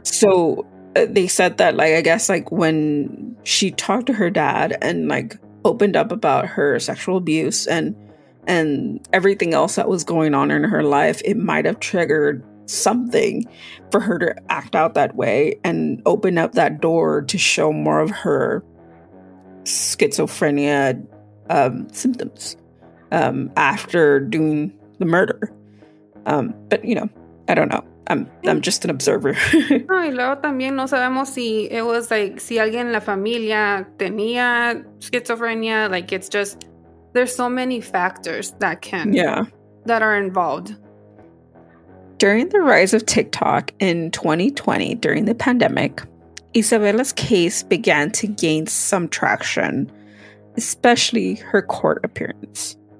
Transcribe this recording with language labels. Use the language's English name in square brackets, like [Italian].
[English] So they said that, like, I guess like when she talked to her dad and like opened up about her sexual abuse and everything else that was going on in her life, it might have triggered something for her to act out that way and open up that door to show more of her schizophrenia symptoms after doing the murder. But you know, I don't know. I'm just an observer. [Spanish] No, y luego también no sabemos si [English] it was like [Spanish] si alguien en la familia tenía schizophrenia. [English] Like, it's just, there's so many factors that can that are involved. During the rise of TikTok in 2020, during the pandemic, Isabella's case began to gain some traction, especially her court appearance.